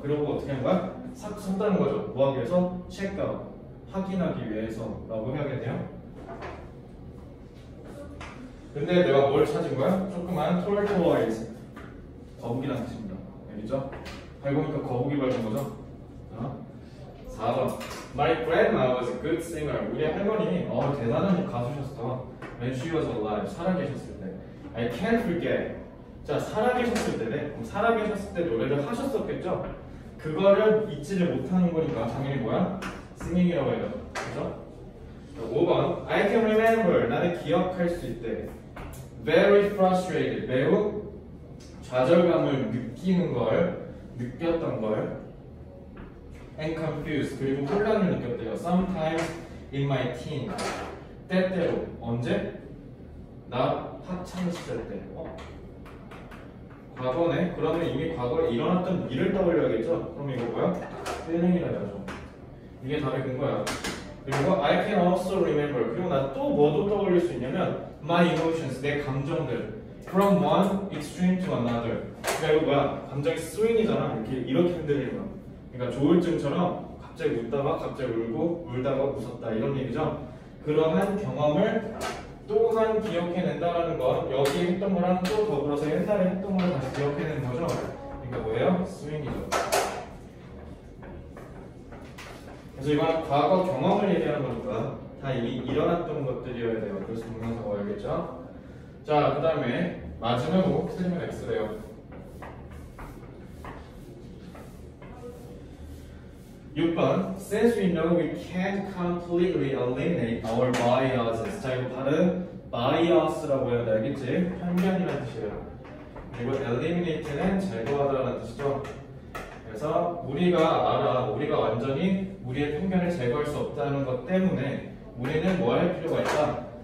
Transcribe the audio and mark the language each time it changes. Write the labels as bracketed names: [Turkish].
[Korean] 그리고 어떻게 한 거야? 삭 섰다는 거죠. 뭐 하기 위해서? 체크아웃. 확인하기 위해서 라고 해야겠네요. 근데 내가 뭘 찾은 거야? 조그만 톨토와이즈. 거북이라는 뜻입니다. 알겠죠? 밟으니까 거북이 밟은 거죠? 자, 4번. [English] My grandma was a good singer. [Korean] 우리 할머니 대단한 가수셨어. [English] When she was alive. [Korean] 살아계셨을 때. [English] I can't forget. [Korean] 자, 살아계셨을 때네. 그럼 살아계셨을 때 노래를 하셨었겠죠? 그거를 잊지를 못하는 거니까 당연히 뭐야? singing이라고 해요. 그죠? 자, 5번. [English] I can remember. [Korean] 나는 기억할 수 있대. [English] Very frustrated. [Korean] 매우 좌절감을 느끼는 걸, 느꼈던 걸. [English] And confused. [Korean] 그리고 혼란을 느꼈대요. [English] Sometimes in my teen. [Korean] 때때로. 언제? 나 학창시절 때. 어? 과거네? 그러면 이미 과거에 일어났던 일을 떠올려야겠죠? 그럼 이거 뭐야? 때는이라 해야죠. 이게 답이 된 거야. 그리고 [English] I can also remember. [Korean] 그리고 나 또 뭐도 떠올릴 수 있냐면 [English] My emotions. [Korean] 내 감정들. [English] From one extreme to another. [Korean] 그러니까 이거 뭐야? 감정이 스윙이잖아. 이렇게 흔들리는 거. 그러니까 조울증처럼 갑자기 웃다가 갑자기 울고 울다가 웃었다. 이런 얘기죠? 그러한 경험을 또한 기억해낸다라는 건 여기 했던 거랑 또 더불어서 옛날에 했던 걸 다시 기억해낸 거죠. 그러니까 뭐예요? 스윙이죠. 그래서 이건 과거 경험을 얘기하는 거니까 다 이미 일어났던 것들이어야 돼요. 그래서 동영상 어야겠죠. 자, 그 다음에 마지막으로 틀리면 X래요. [English] 6번 Since we know we can't completely eliminate our biases. [Korean] 자, 이거 발음 bias라고 해야 되겠지? 편견이라는 뜻이에요. 그리고 eliminate는 제거하다라는 뜻이죠. 그래서 우리가 알아, 우리가 완전히 우리의 편견을 제거할 수 없다는 것 때문에 우리는 뭐 할 필요가 있다?